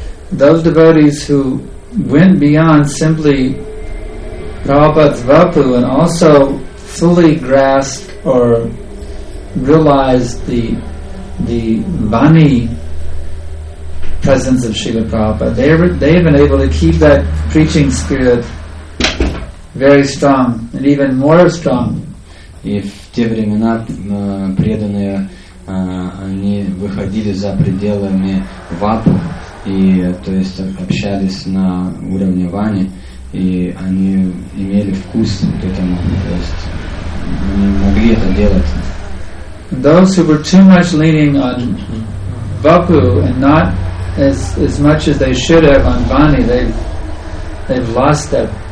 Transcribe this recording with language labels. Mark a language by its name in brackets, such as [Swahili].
[English] Those devotees who went beyond simply Prabhupada's vapu and also fully grasped or realized the vani presence of Srila Prabhupada, they've been able to keep that preaching spirit very strong and even more strong. [Russian] И в те времена преданные они выходили за пределами вапу, и то есть общались на уровне вани, и они имели вкус к этому, то есть они могли это делать. [English] Those who were too much leaning on vapu and not as much as they should have on vani, they've lost that.